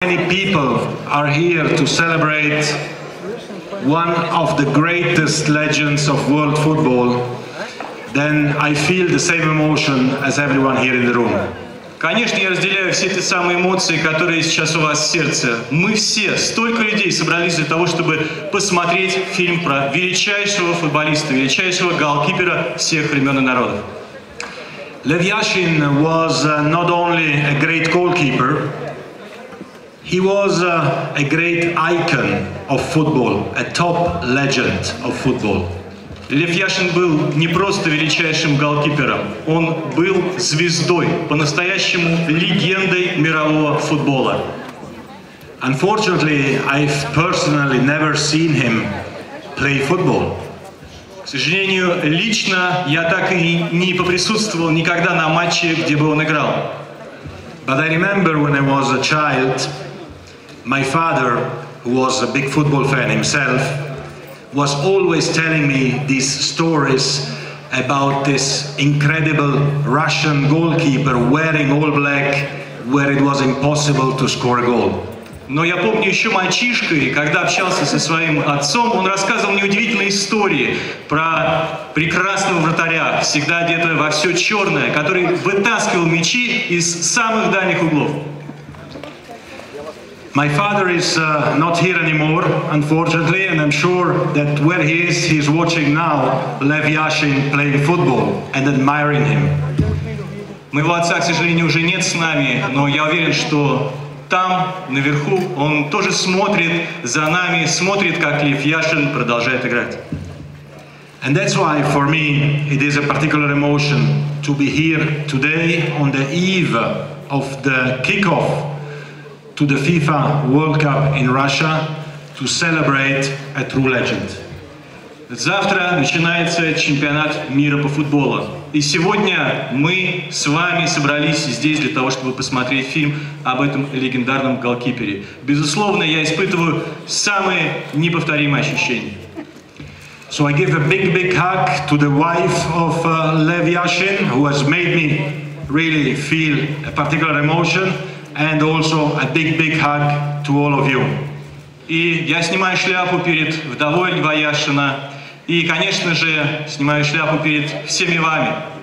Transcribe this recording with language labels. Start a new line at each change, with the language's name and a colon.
English: Many people are here to celebrate one of the greatest legends of world football, then I feel the same emotion as everyone here in the room.
Russian: Конечно, я разделяю все те самые эмоции, которые сейчас у вас в сердце. Мы все, столько людей собрались для того, чтобы посмотреть фильм про величайшего футболиста, величайшего голкипера всех времен и народов.
English: Лев Яшин was not only a great goalkeeper, he was a great icon of football, a top legend of football.
Russian: Лев Яшин был не просто величайшим голкипером, он был звездой, по-настоящему легендой мирового футбола.
English: Unfortunately, I've personally never seen him play football.
Russian: К сожалению, лично я так и не поприсутствовал никогда на матче, где бы он играл.
English: But I remember when I was a child, my father, who was a big football fan himself, was always telling me these stories about this incredible Russian goalkeeper wearing all black, where it was impossible to score a goal.
Russian: Но я помню еще мальчишкой, когда общался со своим отцом, он рассказывал мне удивительные истории про прекрасного вратаря, всегда одетого во все черное, который вытаскивал мячи из самых дальних углов.
English: My father is not here anymore, unfortunately, and I'm sure that where he is watching now Lev Yashin playing football and admiring him.
Russian: Моего отца, к сожалению, уже нет с нами, но я уверен, что там, наверху, он тоже смотрит за нами, смотрит, как Лев Яшин продолжает играть.
English: And that's why for me it is a particular emotion to be here today on the eve of the kickoff to the FIFA World Cup in Russia to celebrate a true legend.
Russian: Завтра начинается чемпионат мира по футболу. И сегодня мы с вами собрались здесь для того, чтобы посмотреть фильм об этом легендарном голкипере. Безусловно, я испытываю самые неповторимые ощущения.
English: So I give a big, big hug to the wife of Lev Yashin, who has made me really feel a particular emotion. And also a big, big hug to all of you.
Russian: И я снимаю шляпу перед вдовой Льва Яшина, и, конечно же, снимаю шляпу перед всеми вами.